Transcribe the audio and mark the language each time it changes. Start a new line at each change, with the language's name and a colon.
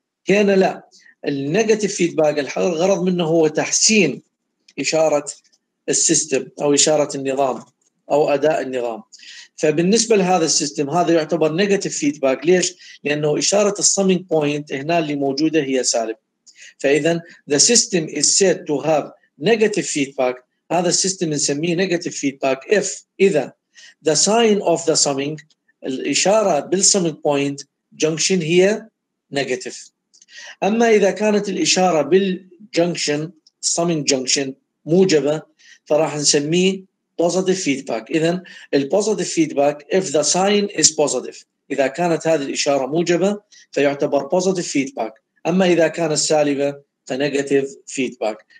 Arabic: هنا لا، النيجاتيف فيدباك الغرض منه هو تحسين إشارة السيستم أو إشارة النظام أو أداء النظام. فبالنسبة لهذا السيستم هذا يعتبر نيجاتيف فيدباك. ليش؟ لأنه إشارة summing point هنا اللي موجودة هي سالب. فإذا
English: the system is said to have negative feedback.
Arabic: هذا السيستم نسميه
English: negative feedback if
Arabic: إذا
English: the sign of the summing
Arabic: الإشارة بالsumming
English: point junction
Arabic: هي
English: negative.
Arabic: أما إذا كانت الإشارة بالjunction summing junction موجبة فراح نسميه positive feedback. إذا
English: the positive feedback if the sign is positive،
Arabic: إذا كانت هذه الإشارة موجبة فيعتبر positive feedback، أما إذا كانت سالبة فنيجاتيف فيدباك.